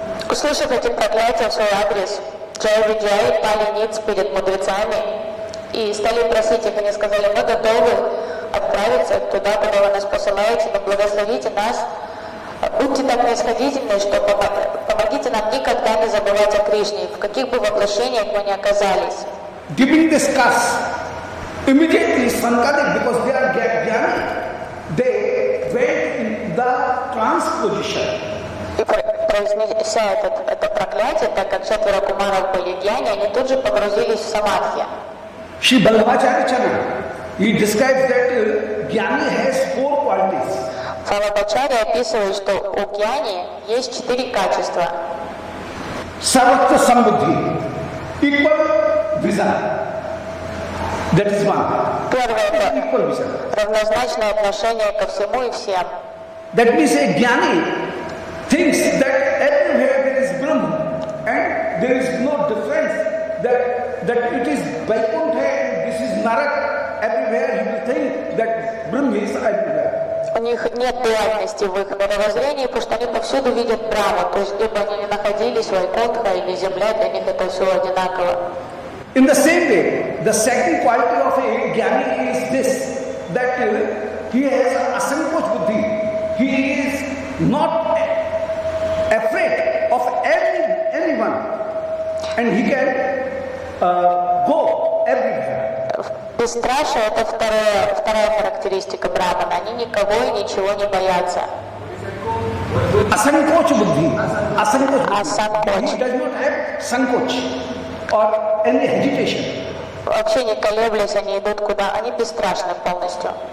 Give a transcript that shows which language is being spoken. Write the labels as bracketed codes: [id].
[ru] Услышав эти проклятия в свой адрес, Джай-Виджай пали ниц перед мудрецами и стали просить их, они сказали, мы готовы отправиться туда, куда вы нас посылаете, но благословите нас, будьте так происходительны, что помогите нам никогда не забывать о Кришне, в каких бы воплощениях мы ни оказались. [en] Giving this curse, immediately Sankadik, because they are Gyani, they went in the transposition. [ru] И произнеся это проклятие, так как четверо кумаров были Гьяни, они тут же погрузились в самадхи. [en] Shri Balabhacharya, he describes that Gyani has four qualities. [ru] Балабхачарья описывает, что у Гьяни есть четыре качества. [en] Sarvatra Samvidhi, equal vision. That is one. [ru] Первое – это равнозначное отношение ко всему и всем. [en] That means a Gyani thinks that everywhere there is Brahma and there is no difference, that it is Vaikuntha and this is Narak everywhere, he will think that Brahma is everywhere. [ru] У них нет дуальности в их мировоззрении, потому что они повсюду видят Брахму. То есть, где бы они ни находились, Вайкунтха или Земля, для них это все одинаково. [en] In the same way, the second quality of a jnani is this, that he has asankoch buddhi. He is not afraid of anyone. And he can go everywhere. [ru] Бесстрашие – это вторая характеристика брахмана. Они никого и ничего не боятся. Асанкоч будхи. Асанкоч. [en] He does not have sankoch or any hesitation. [ru] Вообще не колеблясь, они идут куда. Они бесстрашны полностью.